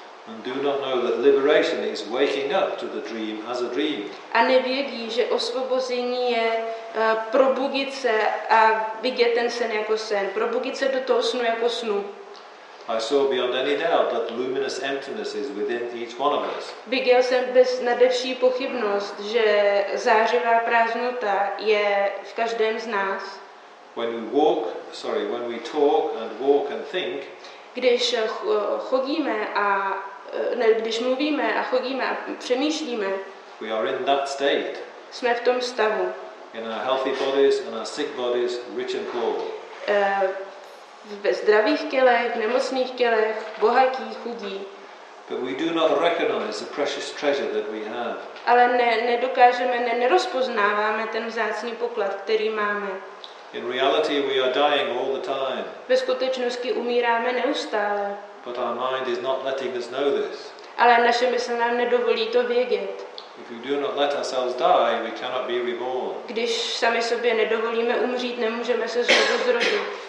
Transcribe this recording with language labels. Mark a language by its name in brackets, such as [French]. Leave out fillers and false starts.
[English] And do not know that liberation is waking up to the dream as a dream. [Czech] A nevědí, že osvobození je probudit se a vidět ten sen jako sen, probudit se do toho snu jako snu. [English] I saw beyond any doubt that luminous emptiness is within each one of us. [Czech] Viděl jsem bez nadevší pochybnost, že zářivá prázdnota je v každém z nás. [English] When we talk and walk and think, [Czech] když chodíme a ne, když mluvíme a chodíme a přemýšlíme, [English] we are in that state. [Czech] Jsme v tom stavu. [English] In our healthy bodies and our sick bodies, rich and poor. [Czech] Ve zdravých tělech, nemocných tělech, bohatých, chudých. [English] But we do not recognize the precious treasure that we have. [Czech] Ale nerozpoznáváme ten vzácný poklad, který máme. [English] In reality, we are dying all the time. [Czech] Ve skutečnosti umíráme neustále. [English] But our mind is not letting us know this. [Czech] Ale naše mysl nám nedovolí to vědět. [English] If we do not let ourselves die, we cannot be reborn. [Czech] Když sami sobě nedovolíme umřít, nemůžeme se znovu zrodit.